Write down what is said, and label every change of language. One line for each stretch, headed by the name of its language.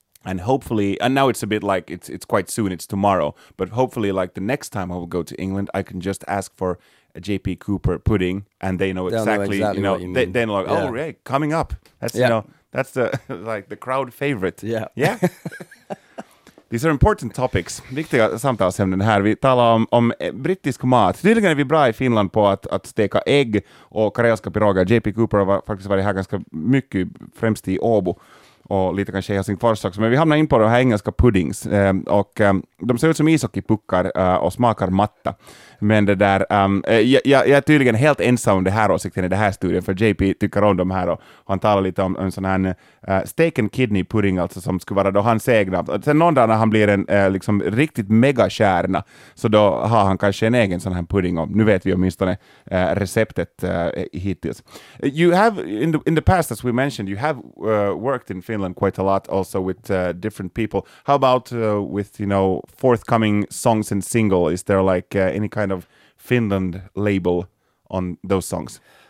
English: And hopefully, and now it's a bit like, it's quite soon, it's tomorrow. But hopefully, like, the next time I will go to England, I can just ask for a J.P. Cooper pudding, and they know exactly, you know, they're like, oh, yeah, right, coming up. That's, you know, that's the, like, the crowd favorite. Yeah. Yeah. These are important topics.
Swedish: Viktiga samtalsämnen här. Vi talar om brittisk mat. Tydligen är vi bra i Finland på att steka ägg och karelska piroga. J.P. Cooper har faktiskt varit här ganska mycket, främst i Åbo. Och lite kanske i Helsingfors också. Men vi hamnar in på de här engelska puddings. Och de ser ut som ishockeypuckar och smakar matta. Men det där, jag är tydligen helt ensam om det här åsikten i det här studien. För JP tycker om de här. Och han talar lite om en sån här steak and kidney pudding. Alltså som skulle vara då hans egna. Sen någon dag när han blir en liksom riktigt megakärna. Så då har han kanske en egen sån här pudding. Och nu vet vi åtminstone receptet hittills.
English: You have, in the past as we mentioned, you have worked in Finland quite a lot also with different people. How about with, you know, forthcoming songs and single? Is there like any kind of Finland label on those songs?